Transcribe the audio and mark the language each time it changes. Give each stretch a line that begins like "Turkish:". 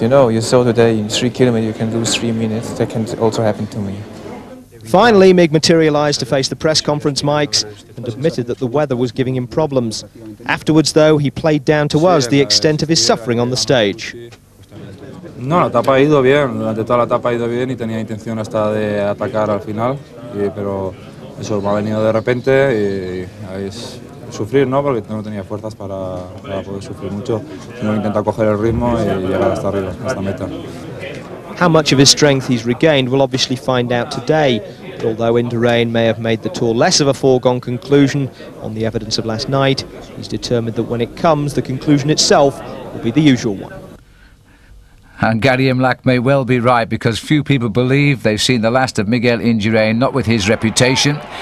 English: You know, you saw today in 3 kilometers you can lose 3 minutes. That can also happen to me. Finally, Mig materialized to face the press conference mics and admitted that the weather was giving him problems. Afterwards, though, he played down to us the extent of his suffering on the stage.
Spanish: No, la etapa ha ido bien. Durante toda la etapa ha ido bien y tenía intención hasta de atacar al final. Pero eso me ha venido de repente y ahí es. Sufrir, ¿no? Porque no tenía fuerzas para poder sufrir mucho. Sino intentar coger el ritmo y llegar hasta arriba, hasta meta.
English: How much of his strength he's regained we'll obviously find out today. But although Indurain may have made the tour less of a foregone conclusion on the evidence of last night, he's determined that when it comes, the conclusion itself will be the usual one. And Gary Imlach may well be right, because few people believe they've seen the last of Miguel Indurain, not with his reputation.